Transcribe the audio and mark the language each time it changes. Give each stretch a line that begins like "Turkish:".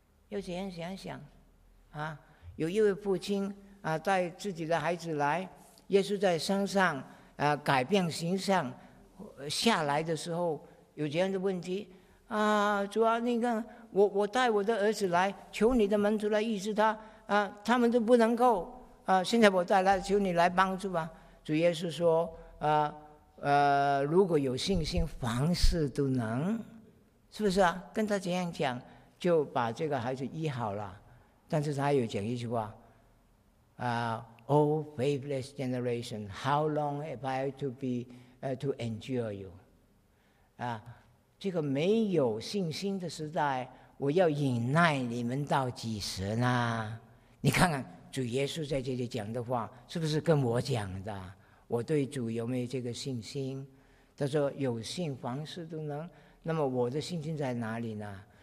Chinese: 要怎样想想啊？有一位父亲啊，带自己的孩子来，耶稣在山上啊改变形象下来的时候，有这样的问题啊，主啊，你看我带我的儿子来，求你的门徒来医治他啊，他们都不能够啊，现在我带来，求你来帮助吧。主耶稣说啊，如果有信心，凡事都能，是不是啊？跟他这样讲，就把这个孩子医好了。但是他有讲一句话啊
English: ，Oh faithless generation, how long have I to be to endure you？
Chinese: 啊，这个没有信心的时代，我要忍耐你们到几时呢？你看看主耶稣在这里讲的话，是不是跟我讲的？我对主有没有这个信心？他说有信凡事都能，那么我的信心在哪里呢？